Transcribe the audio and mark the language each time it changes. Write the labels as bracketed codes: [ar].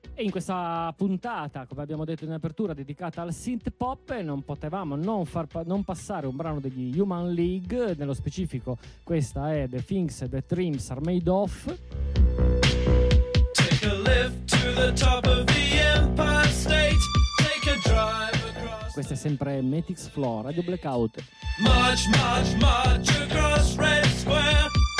[it] questa puntata, come abbiamo detto in apertura, dedicata al synth pop, non potevamo non far non passare un brano degli Human League. Nello specifico, questa è The Things That Dreams Are Made Of. [en] Take a lift to the top of the Empire State. Take a drive across. [it] Questa è sempre Matrix Floor, Radio Blackout. [en] March, march, march across Red Square.